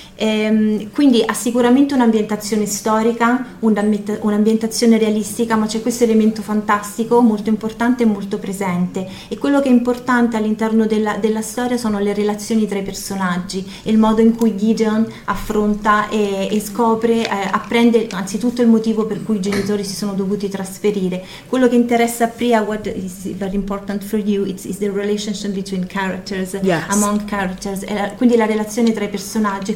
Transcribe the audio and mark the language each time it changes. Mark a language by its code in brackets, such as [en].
[it] Quindi ha sicuramente un'ambientazione storica, un'ambientazione realistica, ma c'è questo elemento fantastico molto importante e molto presente. E quello che è importante all'interno della storia sono le relazioni tra i personaggi e il modo in cui Gideon affronta e scopre, apprende anzitutto il motivo per cui i genitori si sono dovuti trasferire. Quello che interessa a Priya, [en] what is very important for you, is the relationship between characters, yes, among characters, [it] quindi la relazione tra i personaggi.